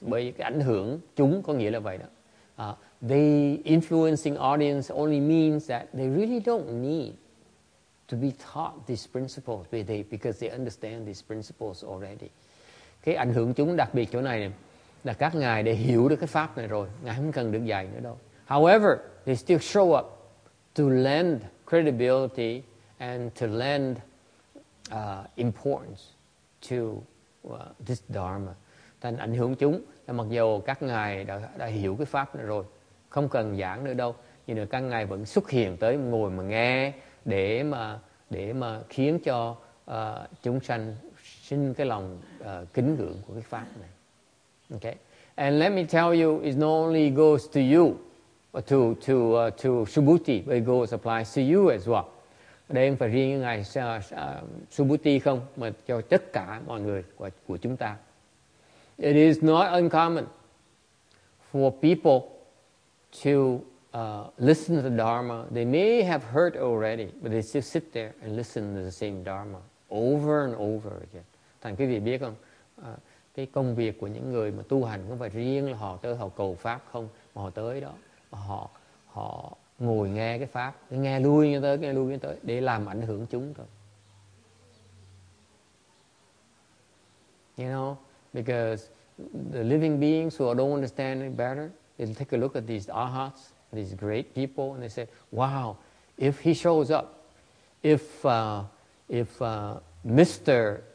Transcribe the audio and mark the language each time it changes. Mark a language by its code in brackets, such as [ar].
[vi] Bởi cái ảnh hưởng chúng có nghĩa là vậy đó. [en] The influencing audience only means that they really don't need to be taught these principles because they understand these principles already. [vi] Cái ảnh hưởng chúng đặc biệt chỗ này là các ngài đã hiểu được cái pháp này rồi, ngài không cần được dạy nữa đâu. [en] However, they still show up to lend credibility and to lend importance to this Dharma. [vi] Thành ảnh hưởng chúng là mặc dù các ngài đã hiểu cái pháp này rồi, không cần giảng nữa đâu, nhưng mà các ngài vẫn xuất hiện tới ngồi mà nghe để mà khiến cho chúng sanh sinh cái lòng kính ngưỡng của cái pháp này. [en] Okay. And let me tell you, it not only goes to you, or to Subhuti, but it goes applies to you as well. [vi] Đây không phải riêng với Ngài Subhuti không, mà cho tất cả mọi người của chúng ta. [en] It is not uncommon for people to listen to the Dharma. They may have heard already, but they still sit there and listen to the same Dharma over and over again. [vi] Thành quý vị biết không, cái công việc của những người mà tu hành không phải riêng là họ tới họ cầu pháp không, mà họ tới đó, mà họ ngồi nghe cái pháp, nghe lui như tới để làm ảnh hưởng chúng thôi. [en] You know, because the living beings who don't understand any better, they take a look at these arhats, these great people, and they say, wow, if he shows up, if Mr.